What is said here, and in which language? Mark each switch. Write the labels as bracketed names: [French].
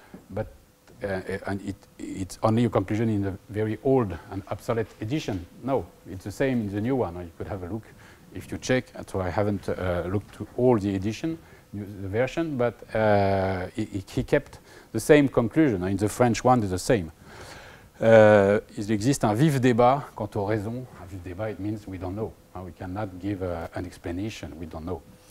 [English] But it's only a conclusion in the very old and obsolete edition. No, it's the same in the new one. You could have a look if you check. So I haven't looked to all the edition, the version, but he kept the same conclusion. In the French one, it's the same. [French] Il existe un vif débat quant aux raisons. Un vif débat, [English] it means we don't know. We cannot give an explanation. We don't know.